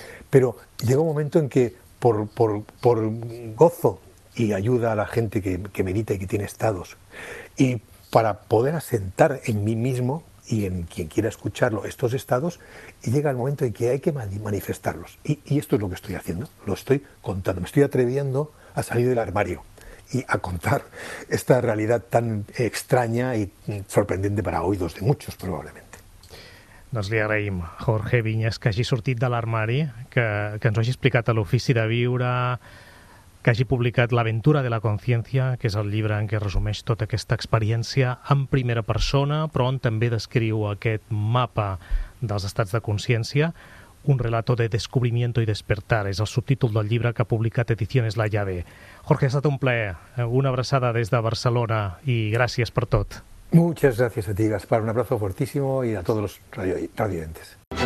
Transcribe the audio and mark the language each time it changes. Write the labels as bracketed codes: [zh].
[es] Pero llega un momento en que por gozo y ayuda a la gente que medita y que tiene estados, y para poder asentar en mí mismo y en quien quiera escucharlo estos estados, y llega el momento en que hay que manifestarlos. Y esto es lo que estoy haciendo, lo estoy contando, me estoy atreviendo a salir del armario y a contar esta realidad tan extraña y sorprendente para oídos de muchos, probablemente. [ca] Doncs li agraïm, Jorge Viñas, que hagi sortit de l'armari, que ens ho hagi explicat a l'Ofici de Viure, que hagi publicat L'aventura de la consciència, que és el llibre en què resumeix tota aquesta experiència en primera persona, però on també descriu aquest mapa dels estats de consciència. Un relato de descubrimiento y despertar és el subtítol del llibre que ha publicat Ediciones La Llave. Jorge, ha estat un plaer. Una abraçada des de Barcelona i gràcies per tot. [es] Muchas gracias a ti, Gaspar. Un abrazo fortísimo y a todos los radioyentes.